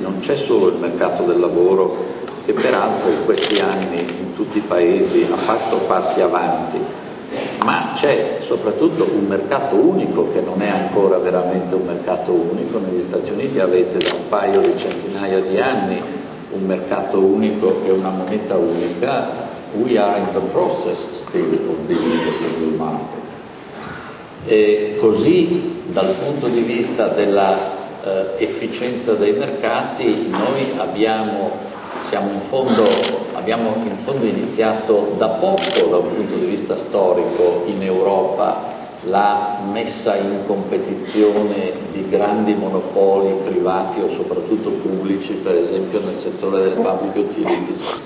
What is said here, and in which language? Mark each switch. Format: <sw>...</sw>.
<it>Non c'è solo il mercato del lavoro, che peraltro in questi anni in tutti i paesi ha fatto passi avanti, ma c'è soprattutto un mercato unico che non è ancora veramente un mercato unico. Negli Stati Uniti avete da un paio di centinaia di anni un mercato unico e una moneta unica.</it> <en>We are in the process still of building the single market.</en> <it>E così, dal punto di vista della efficienza dei mercati, noi abbiamo in fondo iniziato da poco, da un punto di vista storico, in Europa, la messa in competizione di grandi monopoli privati o soprattutto pubblici, per esempio nel settore delle public utilities.</it>